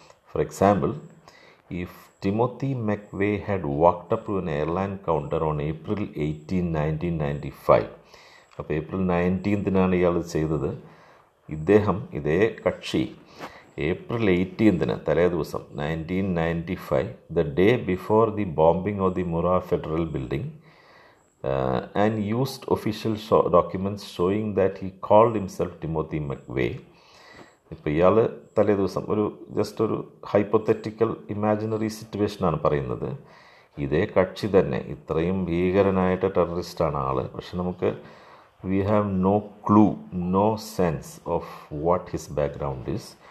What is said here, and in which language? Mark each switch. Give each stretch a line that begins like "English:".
English: For example, if Timothy McVeigh had walked up to an airline counter on April 18, 1995.
Malayalam: അപ്പോൾ April 19 ഇയാൾ ചെയ്തത്, ഇദ്ദേഹം ഇതേ കക്ഷി April 18 തലേ ദിവസം 1995
English: The day before the bombing of the Murrah federal building and used official documents showing that he called himself Timothy McVeigh.
Malayalam: ഇപ്പോൾ ഇയാൾ തലേദിവസം ഒരു ജസ്റ്റ് ഒരു ഹൈപ്പത്തറ്റിക്കൽ ഇമാജിനറി സിറ്റുവേഷനാണ് പറയുന്നത്. ഇതേ കക്ഷി തന്നെ ഇത്രയും ഭീകരനായിട്ട് ടെററിസ്റ്റാണ് ആൾ. പക്ഷെ നമുക്ക്
English: We have no clue no sense of what his background is.